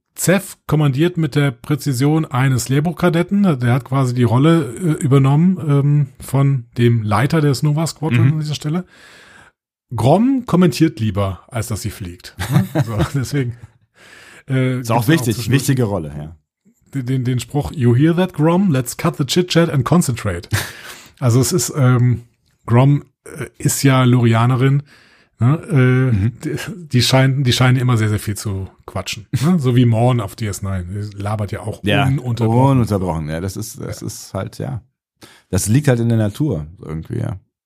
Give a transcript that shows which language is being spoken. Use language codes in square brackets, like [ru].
[de] Zeff kommandiert mit der Präzision eines Lehrbuchkadetten. Der hat quasi die Rolle übernommen von dem Leiter des Nova Squadron, mhm, an dieser Stelle. Grom kommentiert lieber, als dass sie fliegt. So, deswegen. Ist auch wichtig, auch wichtige Rolle, ja. Den Spruch, [en] you hear that, Grom? Let's cut the chit-chat and concentrate. [de] Also es ist, Grom ist ja Lorianerin. Ne, die scheinen immer sehr, sehr viel zu quatschen. Ne? So wie Morn auf DS9. Die labert ja auch ununterbrochen. Ununterbrochen, ja. Das ist halt, ja. Das liegt halt in der Natur irgendwie, ja.